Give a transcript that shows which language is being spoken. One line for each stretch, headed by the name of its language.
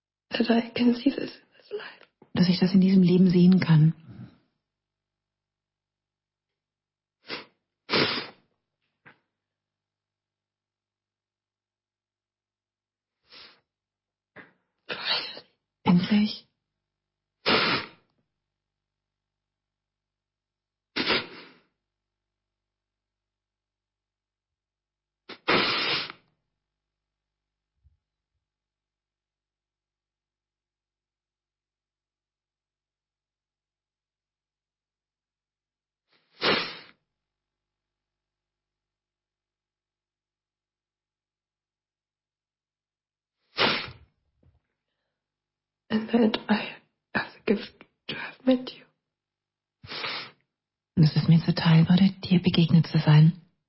English: That I can see this in this life.
German: Dass ich das in diesem Leben sehen kann. Endlich.
English: And I have a gift to have met you.
German: Und es ist mir zuteil wurde, dir begegnet zu sein.